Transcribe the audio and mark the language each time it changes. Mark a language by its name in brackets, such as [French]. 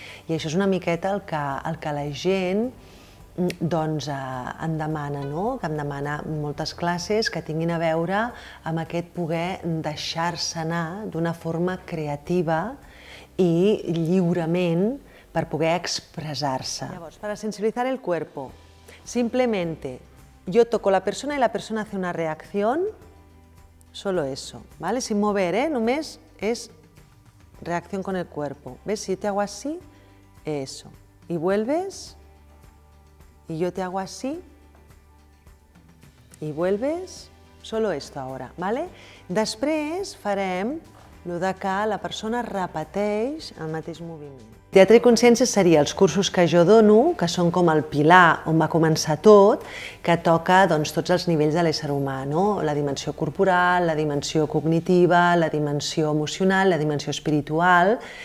[Catalan] I això és una miqueta el que la gent doncs em demana, no? Que em demana moltes classes que tinguin a veure amb aquest poder deixar-se anar d'una forma creativa i lliurement per poder expressar-se. Llavors, per sensibilitzar [Spanish] el cuerpo, simplemente yo toco la persona y la persona hace una reacción, solo eso, ¿vale? Sin mover, ¿eh? Només es reacción con el cuerpo. ¿Ves? Si yo te hago así, eso. Y vuelves, y yo te hago así, y vuelves, solo esto ahora, ¿vale? [Catalan] Després farem lo de que la persona repeteix el mateix moviment. Teatre i Consciència seria els cursos que jo dono, que són com el pilar on va començar tot, que toca doncs, tots els nivells de l'ésser humà, no? La dimensió corporal, la dimensió cognitiva, la dimensió emocional, la dimensió espiritual.